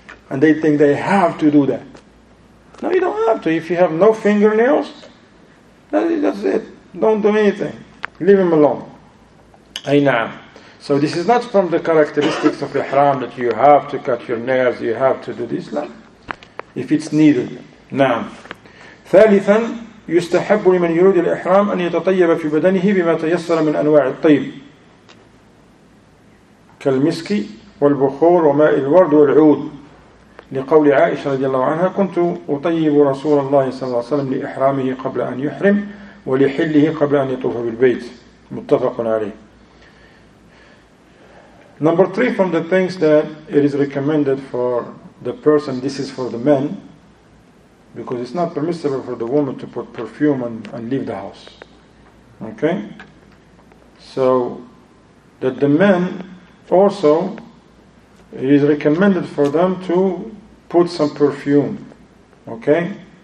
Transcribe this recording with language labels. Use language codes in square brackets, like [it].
[en] And they think they have to do that. No, you don't have to. If you have no fingernails, that's it. Don't do anything. Leave him alone. Aynam. So this is not from the characteristics of ihram that you have to cut your nails, you have to do this. If it's needed. نعم. [ar] ثالثا يستحب لمن يريد الإحرام أن يتطيب في بدنه بما تيسر من أنواع الطيب كالمسك والبخور وماء الورد والعود لقول عائشة رضي الله عنها كنت أطيب رسول الله صلى الله عليه وسلم لإحرامه قبل أن يحرم ولحله قبل أن يطوف بالبيت متفق عليه. [en] Number three from the things that it is recommended for the person, this is for the men, because it's not permissible for the woman to put perfume and leave the house. Okay? So, that the men also, it is recommended for them to put some perfume. Okay?